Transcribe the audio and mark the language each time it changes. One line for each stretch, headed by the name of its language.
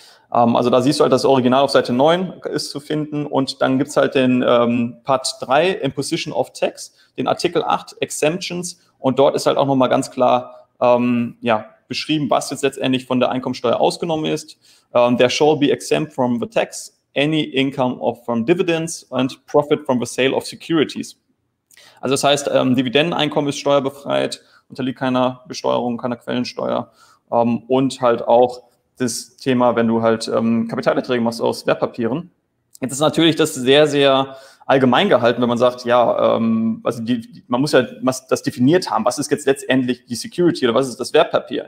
German: Also da siehst du halt, das Original auf Seite 9 ist zu finden. Und dann gibt es halt den Part 3, Imposition of Tax, den Artikel 8, Exemptions. Und dort ist halt auch nochmal ganz klar, beschrieben, was jetzt letztendlich von der Einkommensteuer ausgenommen ist.
English: There shall be exempt from the tax any income of from dividends and profit from the sale of securities.
German: Also das heißt, Dividendeneinkommen ist steuerbefreit, unterliegt keiner Besteuerung, keiner Quellensteuer. Und halt auch das Thema, wenn du halt Kapitalerträge machst aus Wertpapieren. Jetzt ist natürlich das sehr, sehr allgemein gehalten, wenn man sagt, ja, man muss ja das definiert haben, was ist jetzt letztendlich die Security oder was ist das Wertpapier?